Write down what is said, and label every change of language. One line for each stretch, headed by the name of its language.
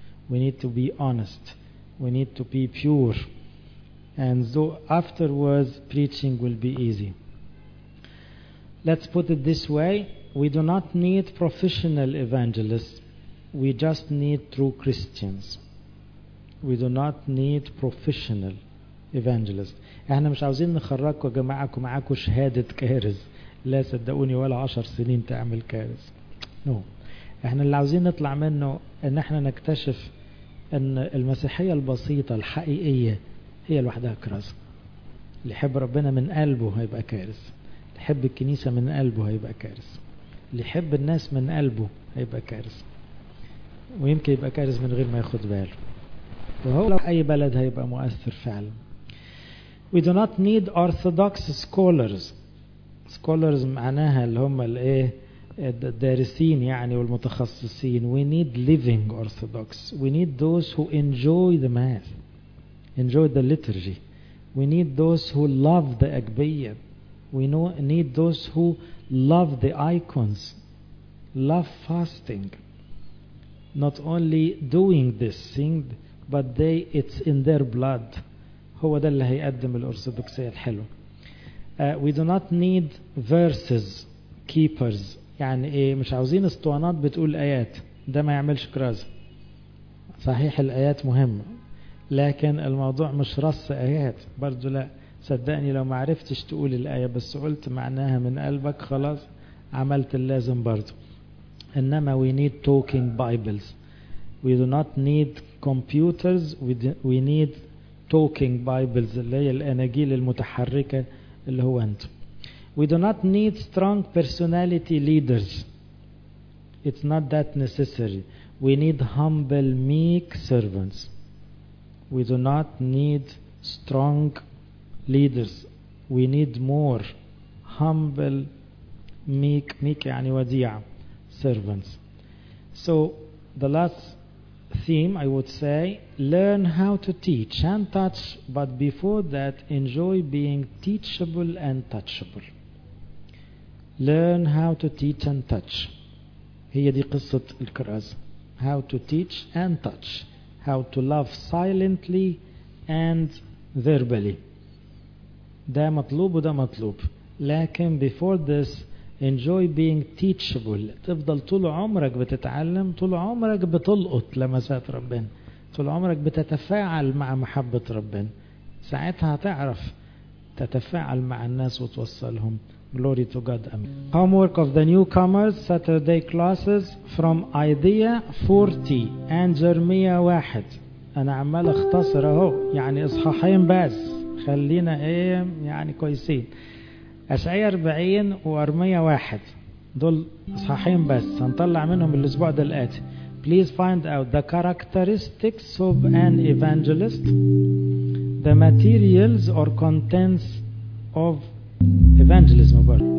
English: We need to be honest. We need to be pure. And so afterwards, preaching will be easy. Let's put it this way. We do not need professional evangelists. We just need true Christians. We do not need professional evangelists.
Arabic: احنا مش عاوزين نخرجكم يا جماعة كو معاكو شهادة كارز. لا صدقوني ولا 10 سنين تعمل كارز.
English: No.
Arabic: احنا اللي عاوزين نطلع منه ان احنا نكتشف ان المسيحية البسيطة الحقيقية هي لوحدها كرز. اللي يحب ربنا من قلبه هيبقى كارز. اللي يحب الكنيسة من قلبه هيبقى كارز. اللي يحب الناس من قلبه هيبقى كارز. ويمكن يبقى كارز من غير ما ياخد باله. وهو لو اي بلد هيبقى مؤثر فعلا.
English: We do not need orthodox scholars.
Arabic: Scholars معناها اللي هم الايه الدارسين يعني والمتخصصين.
English: We need living orthodox. We need those who enjoy the mass. Enjoy the liturgy. We need those who love the agbaya. We need those who love the icons. Love fasting. Not only doing this thing, but it's in their blood.
Arabic: هو ده اللي هيقدم الأرثوذكسية الحلو.
English: We do not need verses, keepers.
Arabic: يعني إيه مش عاوزين اسطوانات بتقول آيات. ده ما يعملش كراز. صحيح الآيات مهمة. لكن الموضوع مش رص آيات. برضو لا. صدقني لو ما عرفتش تقول الآية بس قلت معناها من قلبك خلاص عملت اللازم برضو. إنما
English: we need talking Bibles. We do not need computers. We need talking Bibles.
Arabic: اللي هي الأناجيل المتحركة اللي هو أنت.
English: We do not need strong personality leaders. It's not that necessary. We need humble, meek servants. We do not need strong leaders. we need more humble, meek
Arabic: يعني وديع
English: servants. So the last theme I would say, learn how to teach and touch, but before that enjoy being teachable and touchable. Learn how to teach and touch.
Arabic: هي دي قصة الكراز.
English: How to teach and touch. How to love silently and verbally.
Arabic: ده مطلوب وده مطلوب. لكن
English: before this, enjoy being teachable.
Arabic: تفضل طول عمرك بتتعلم, طول عمرك بتلقط لمسات ربنا, طول عمرك بتتفاعل مع محبة ربنا. ساعتها هتعرف تتفاعل مع الناس وتوصلهم.
English: Glory to God. Amen. Homework of the newcomers, Saturday classes from idea 40 and Jeremiah 1.
Arabic: أنا عمال اختصر اهو, يعني اصحاحين بس, خلينا ايه يعني كويسين. أشعياء 40 وأرميا 1 دول صحيحين بس, هنطلع منهم الأسبوع ده الآتي.
English: Please find out the characteristics of an evangelist, the materials or contents of evangelism.